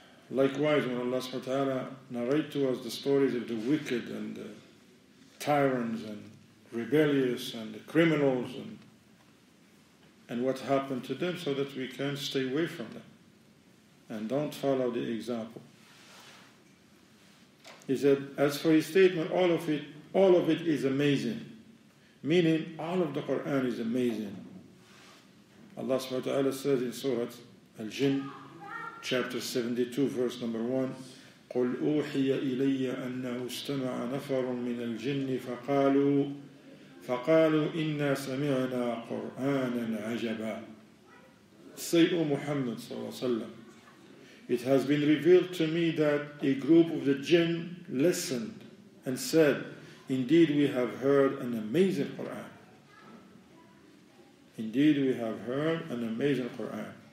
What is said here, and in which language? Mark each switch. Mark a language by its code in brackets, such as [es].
[en] Likewise, when Allah subhanahu wa ta'ala narrate to us the stories of the wicked and the tyrants and rebellious and the criminals and what happened to them, so that we can stay away from them and don't follow the example. He said, as for his statement, all of it is amazing. Meaning, all of the Qur'an is amazing. Allah subhanahu wa ta'ala says in Surah Al-Jinn, chapter 72, verse number 1, [ar] قُلْ أُوحِيَ إِلَيَّ أَنَّهُ اسْتَمَعَ نَفَرٌ مِّنَ الْجِنِّ فَقَالُوا إِنَّا سَمِعْنَا قُرْآنًا عَجَبًا. [en] Say, O Muhammad صلى الله عليه وسلم, it has been revealed to me that a group of the jinn listened and said, indeed we have heard an amazing Qur'an. Indeed we have heard an amazing Qur'an.